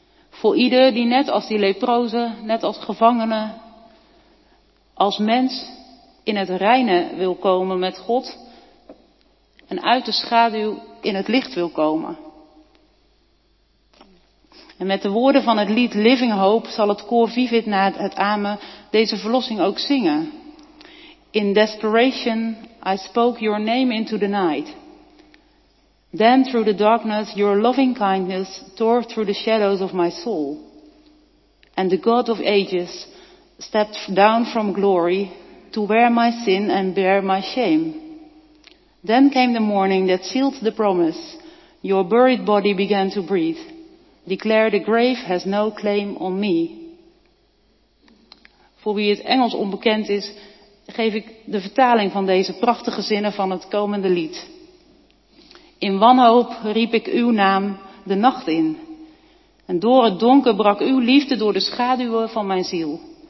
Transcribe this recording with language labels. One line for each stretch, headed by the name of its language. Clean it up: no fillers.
Dutch: Voor ieder die net als die leprozen, net als gevangenen, als mens in het reine wil komen met God en uit de schaduw in het licht wil komen. En met de woorden van het lied Living Hope zal het koor Vivid na het Amen deze verlossing ook zingen.
English: In desperation I spoke your name into the night. Then through the darkness your loving kindness tore through the shadows of my soul. And the God of ages stepped down from glory to wear my sin and bear my shame. Then came the morning that sealed the promise. Your buried body began to breathe. Declare the grave has no claim on me.
Dutch: Voor wie het Engels onbekend is, geef ik de vertaling van deze prachtige zinnen van het komende lied. In wanhoop riep ik uw naam de nacht in. En door het donker brak uw liefde door de schaduwen van mijn ziel.